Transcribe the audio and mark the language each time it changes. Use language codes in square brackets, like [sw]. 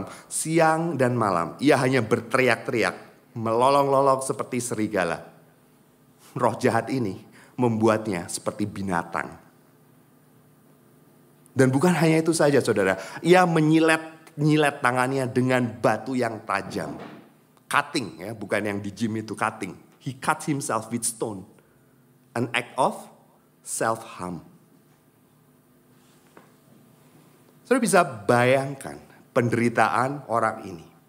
[id] Siang dan malam, ia hanya berteriak-teriak, melolong-lolong seperti serigala. Roh jahat ini membuatnya seperti binatang. Dan bukan hanya itu saja, saudara, ia menyilet-nyilet tangannya dengan batu yang tajam. Cutting, ya, bukan yang di gym itu, cutting. [en] He cut himself with stone, an act of self-harm. [id] Saudara bisa bayangkan penderitaan orang ini.